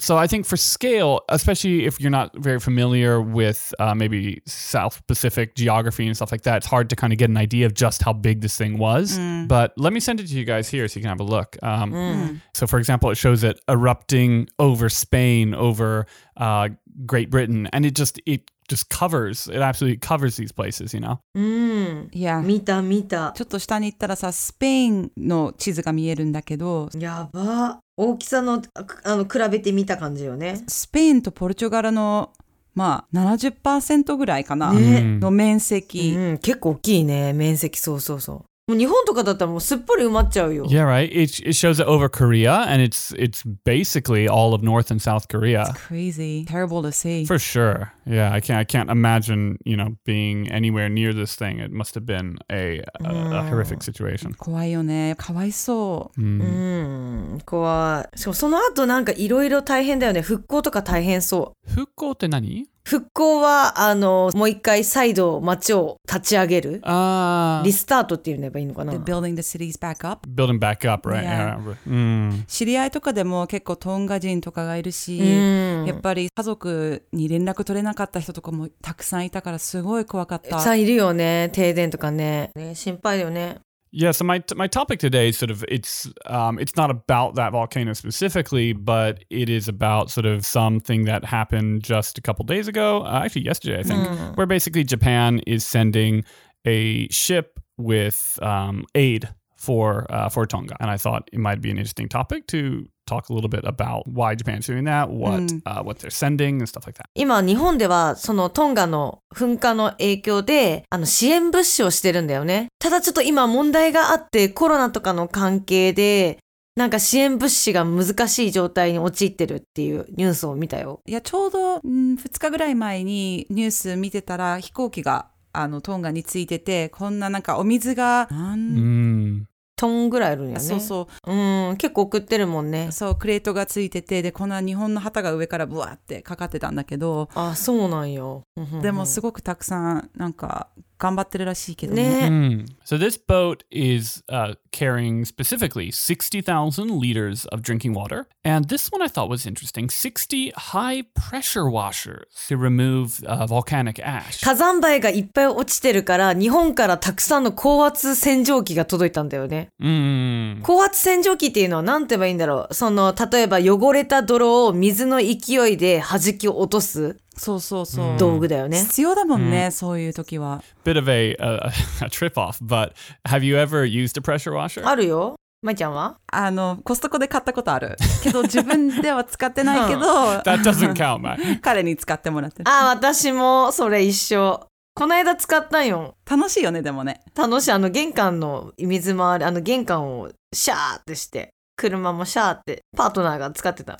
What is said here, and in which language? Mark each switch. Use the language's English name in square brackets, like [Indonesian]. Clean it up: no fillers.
[English] So I think for scale, especially if you're not very familiar with maybe South Pacific geography and stuff like that, it's hard to kind of get an idea of just how big this thing was. But let me send it to you guys here so you can have a look. So for example, it shows it erupting over Spain, over Great Britain, and it just covers, it absolutely covers these places, you know? Yeah. [Japanese] 見た見た。ちょっと下に行ったらさ、スペインの地図が見えるんだけど。やば。大きさの、比べて見た感じよね。スペインとポルチュガルの、まあ、70% ぐらいかな。の面積。結構大きいね、面積、そうそうそう。もう日本とかだったらもうすっぽり埋まっちゃうよ。 [English] Yeah, right. It shows it over Korea, and it's basically all of North and South Korea. It's crazy. Terrible to see. For sure. Yeah, I can't imagine, you know, being anywhere near this thing. It must have been a horrific situation. [Japanese] 怖いよね。かわいそう。怖い。しかもその後なんかいろいろ大変だよね。復興とか大変そう。復興って何？復興はもう一回再度町を立ち上げる、リスタートって言えばいいのかな。 [English] The building the cities back up. Building back up, right? Yeah. Yeah. [Japanese] 知り合いとかでも結構トンガ人とかがいるし、やっぱり家族に連絡取れなかった人とかもたくさんいたからすごい怖かった。たくさんいるよね、停電とかね、ね、心配よね。 [English] Yeah, so my topic today is sort of, it's not about that volcano specifically, but it is about sort of something that happened just a couple days ago, actually yesterday, I think, where basically Japan is sending a ship with aid for Tonga. And I thought it might be an interesting topic to talk a little bit about why Japan's doing that, what they're sending and stuff like that. [Japanese] 今日本ではそのトンガの噴火の影響で支援物資をしてるんだよね。ただちょっと今問題があってコロナとかの関係でなんか支援物資が難しい状態に陥ってるっていうニュースを見たよ。いや、ちょうど2日ぐらい前にニュース見てたら飛行機がトンガについててこんななんかお水が何トンぐらいあるんやね。そうそう。結構送ってるもんね。そう、クレートがついてて、で、この日本の旗が上からブワーってかかってたんだけど。あ、そうなんよ。でもすごくたくさん、なんか、頑張ってるらしいけどね。ね。 Mm. [English] So this boat is carrying specifically 60,000 liters of drinking water. And this one I thought was interesting. 60 high pressure washers to remove volcanic ash. [Japanese] 火山灰がいっぱい落ちてるから、日本からたくさんの高圧洗浄機が届いたんだよね。高圧洗浄機っていうのは何て言えばいいんだろう。その、例えば汚れた泥を水の勢いで弾き落とす。そうそうそう。道具だよね。必要だもんね、そういう時は。 [English] Bit of a trip off, but have you ever used a pressure washer? [Japanese] あるよ。まいちゃんは？あの、コストコで買ったことある。けど自分では使ってないけど。 [English] That doesn't count, Mai. [Japanese] 彼に使ってもらってる。あ、私もそれ一緒。この間使ったんよ。楽しいよね、でもね。楽しい。あの、玄関の水回り、あの、玄関をシャーってして、車もシャーって、パートナーが使ってた。